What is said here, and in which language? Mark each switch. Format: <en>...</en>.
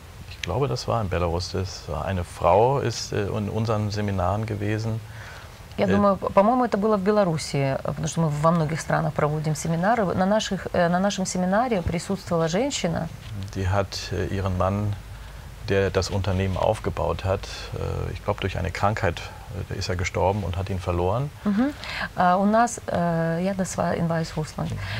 <de>Ich glaube, das war in Belarus. Eine Frau ist in unseren Seminaren gewesen.</de> <ru>Я думаю, по-моему, это было в Беларуси, потому что мы во многих странах проводим семинары. На нашем семинаре присутствовала женщина.</ru> <de>Die hat ihren Mann, der das Unternehmen aufgebaut hat, ich glaube durch eine Krankheit ist er gestorben und hat ihn verloren.</de> <ru>У нас, я</ru> <de>das war in Weißrussland.</de>